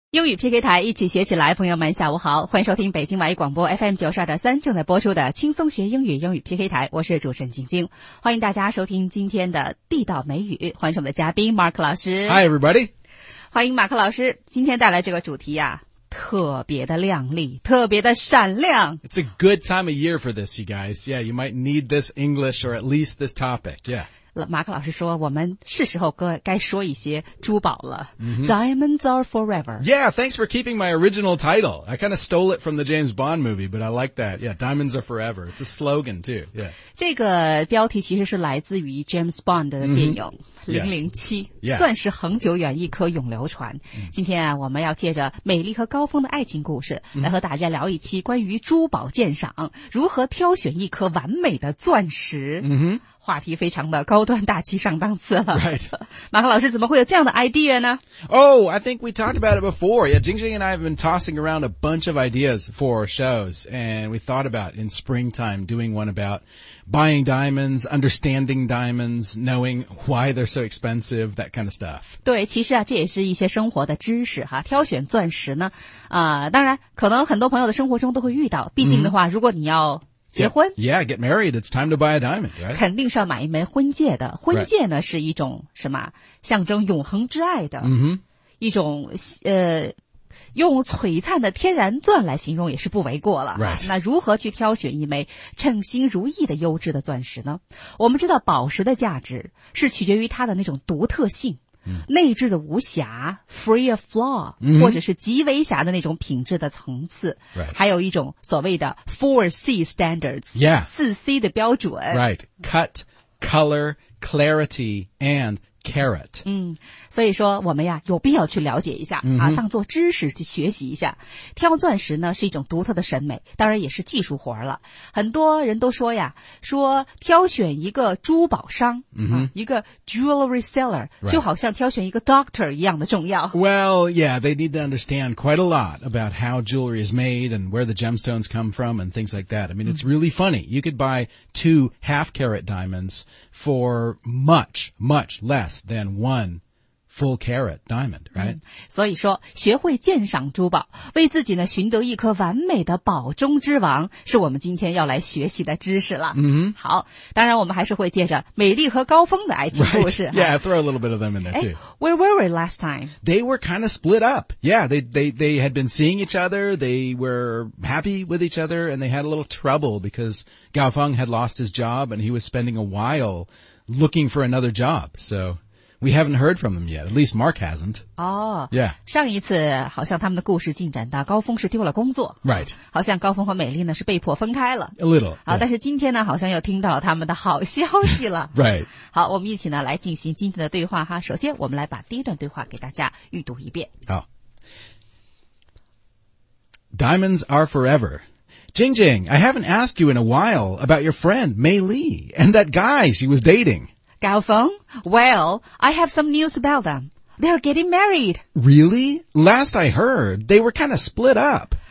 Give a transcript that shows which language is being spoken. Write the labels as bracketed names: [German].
[Chinese] 英语 PK 台一起学起来，朋友们下午好，欢迎收听北京外语广播 FM92.3 正在播出的轻松学英语英语 PK 台，我是主持人晶晶，欢迎大家收听今天的地道美语，欢迎我们的嘉宾 Mark 老师。 [English] Hi everybody， [Chinese] 欢迎马克老师，今天带来这个主题啊，特别的亮丽，特别的闪亮。 [English] It's a good time of year for this, you guys. Yeah, you might need this English or at least this topic, yeah. [Chinese] 马克老师说我们是时候该说一些珠宝了、mm-hmm. [English] Diamonds are forever. Yeah, thanks for keeping my original title. I kind of stole it from the James Bond movie, but I like that. Yeah, diamonds are forever. It's a slogan too. Yeah. [Chinese] 这个标题其实是来自于 James Bond 的电影、mm-hmm. 007、 [English] yeah. [Chinese] 钻石恒久远，一颗永流传、mm-hmm. 今天、啊、我们要借着美丽和高峰的爱情故事、mm-hmm. 来和大家聊一期关于珠宝鉴赏，如何挑选一颗完美的钻石。嗯哼，话题非常的高端大气上档次了。 [English] Right. [Chinese] 马克老师怎么会有这样的 idea 呢？ [English] Oh, I think we talked about it before. Yeah, Jingjing and I have been tossing around a bunch of ideas for our shows, and we thought about in springtime doing one about buying diamonds, understanding diamonds, knowing why they're so expensive, that kind of stuff. [Chinese] 对，其实啊，这也是一些生活的知识哈。挑选钻石呢，当然可能很多朋友的生活中都会遇到。毕竟的话， mm-hmm. 如果你要结婚 [English] yeah, get married, it's time to buy a diamond, right? [Chinese] 肯定是要买一枚婚戒的。婚戒呢、 [English] right. [Chinese] 是一种什么象征永恒之爱的、 mm-hmm. 一种用璀璨的天然钻来形容也是不为过了、 [English] right. [Chinese] 那如何去挑选一枚称心如意的优质的钻石呢？我们知道宝石的价值是取决于它的那种独特性、 mm-hmm. 内置的无瑕 [English] free of flaw、 mm-hmm. [Chinese] 或者是极微瑕的那种品质的层次、 [English] right. [Chinese] 还有一种所谓的 4C standards、 [English] yeah. [Chinese] 4C 的标准 [English] right cut color clarity and carat、 [Chinese] 嗯、所以说我们呀有必要去了解一下、 mm-hmm. 啊，当做知识去学习一下。挑钻石呢是一种独特的审美，当然也是技术活了。很多人都说呀，说挑选一个珠宝商、 mm-hmm. 啊、一个 [English] jewelry seller、 right. [Chinese] 就好像挑选一个 doctor 一样的重要。 [English] Well, yeah, they need to understand quite a lot about how jewelry is made and where the gemstones come from and things like that. I mean, it's really funny. You could buy 2 half-carat diamonds for much, much less than 1 full-carat diamond, right?、嗯、 [Chinese] 所以说学会鉴赏珠宝，为自己呢寻得一颗完美的宝中之王，是我们今天要来学习的知识了。嗯、mm-hmm. 好，当然我们还是会借着美丽和高峰的爱情故事、 [English] right. Yeah, throw a little bit of them in there too. Where were we last time? They were kind of split up. Yeah, they had been seeing each other, they were happy with each other, and they had a little trouble because Gao Feng had lost his job and he was spending a whileLooking for another job, so we haven't heard from them yet. At least Mark hasn't. Oh, yeah. [Chinese] 上一次好像他们的故事进展到高峰是丢了工作 [English] ，right？ [Chinese] 好像高峰和美丽呢是被迫分开了 [English] ，a little。 [Chinese] 好，但是今天呢，好像又听到了他们的好消息了 [English] ，right？ [Chinese] 好，我们一起呢来进行今天的对话哈。首先，我们来把第一段对话给大家预读一遍。 [English] 好 ，Diamonds are forever. Jingjing, I haven't asked you in a while about your friend, Mei Li, and that guy she was dating. Gao Feng? Well, I have some news about them. They're getting married. Really? Last I heard, they were kind of split up.